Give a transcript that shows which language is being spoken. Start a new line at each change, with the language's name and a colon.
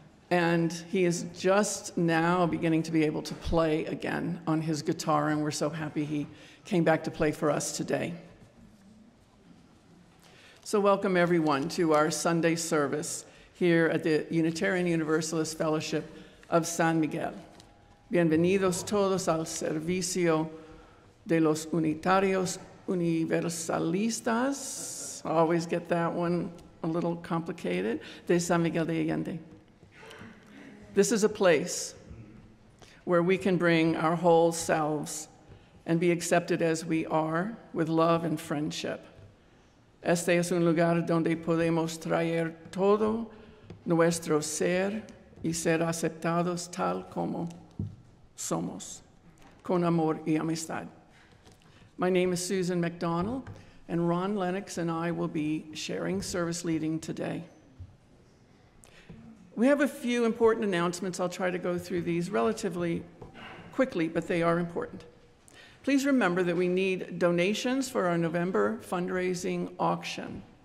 English: And he is just now beginning to be able to play again on his guitar, and we're so happy he came back to play for us today. So welcome everyone to our Sunday service here at the Unitarian Universalist Fellowship of San Miguel.
Spanish: Bienvenidos todos al servicio de los Unitarios Universalistas.
English: I always get that one a little complicated. De San Miguel de Allende. This is a place where we can bring our whole selves and be accepted as we are with love and friendship.
Spanish: Este es un lugar donde podemos traer todo nuestro ser y ser aceptados tal como somos, con amor y amistad.
English: My name is Susan McDonald, and Ron Lennox and I will be sharing service leading today. We have a few important announcements. I'll try to go through these relatively quickly, but they are important. Please remember that we need donations for our November fundraising auction.